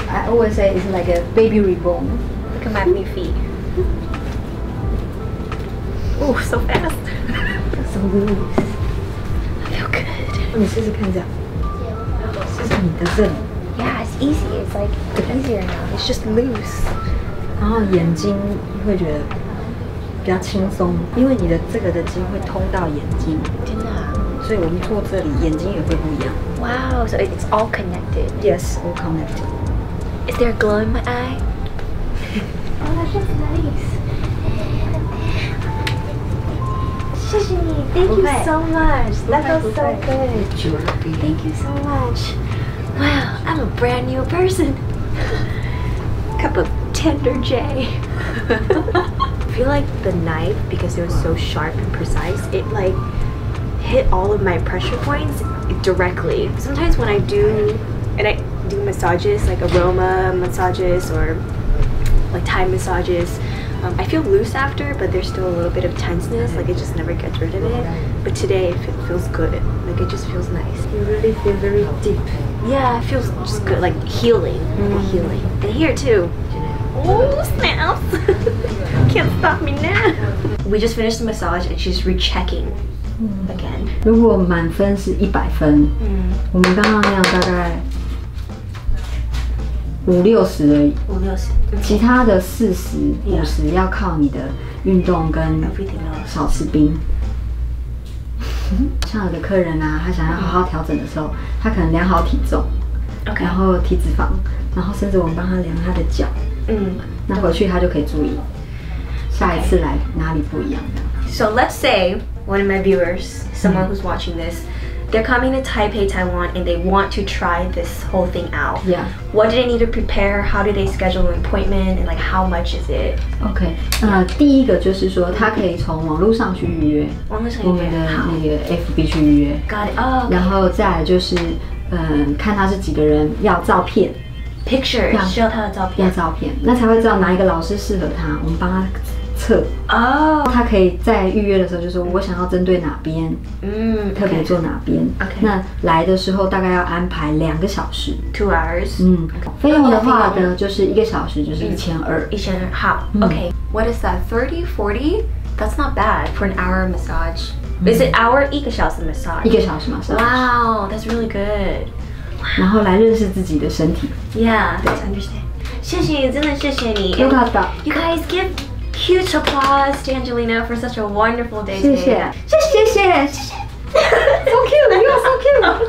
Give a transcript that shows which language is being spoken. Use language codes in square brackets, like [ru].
[en] I always say it's like a baby reborn. Look at my new feet. Oh, so fast. So loose. I feel good. Let me see if it comes out. Let me see if it comes out. Yeah, it's easy. It's like easier now. It's just loose. [zh] 然后眼睛会觉得比较轻松，因为你的这个的筋会通到眼睛。真的。所以我们坐这里，眼睛也会不一样。 [en] Wow, so it's all connected. Yes, all connected. Is there a glow in my eye? Oh, that's just nice. [zh] 谢谢你 [en] ，Thank you so much. That feels so good. Thank you so much. Wow, I'm a brand new person. Cup of tender J. I feel like the knife, because it was so sharp and precise, it like. Hit all of my pressure points directly. Sometimes when I do massages, like aroma massages or like Thai massages, I feel loose after, but there's still a little bit of tenseness, like it just never gets rid of it. But today it feels good, like it just feels nice. You really feel very deep. Yeah, it feels just good, like healing, healing. And here too. Oh, snaps! Can't stop me now. We just finished the massage and she's rechecking. Again. [zh] 如果满分是100分、嗯、我们刚刚那样大概50-60而已。 50-60。其他的40-50要靠你的运动跟少吃冰。像有的客人啊他想要好好调整的时候他可能量好体重、 [en] okay. [zh] 然后体脂肪然后甚至我们帮他量他的脚。嗯。那回去他就可以注意。下一次来哪里不一样的。 [en] So let's say,One of my viewers, someone who's watching this, they're coming to Taipei, Taiwan, and they want to try this whole thing out. Yeah. What do they need to prepare? How do they schedule an appointment? And like, how much is it? Okay. [zh] 第一个就是说，他可以从网络上去预约。网络上预约。我们的那个 FB 去预约。 [en] Got it. Oh.、Okay. [zh] 然后再来就是，看他是几个人，要照片。 [en] Pictures. [zh] 需要他的照片。要照片，那才会知道哪一个老师适合他。我们帮他。测、oh. 他可以在预约的时候就说我想要针对哪边、okay. 特别做哪边、 [en] okay. [zh] 那来的时候大概要安排2小时 [en] 2 hours、 [zh] 嗯 okay. 费用的话呢、okay. 就是一个小时就是1200 [en] 好、嗯、OK What is that? 30-40? That's not bad for an hour massage、嗯、Is it hour [zh] 一个小时 [en] massage? [zh] 一个小时 massage [en] Wow, that's really good [zh] 然后来认识自己的身体 [en] Yeah, that's understand [zh] 谢谢真的谢谢你 [en] You got that You guys giveHuge applause to Angelina for such a wonderful day today. [zh] 谢谢谢谢谢谢 [en] So cute, you are so cute.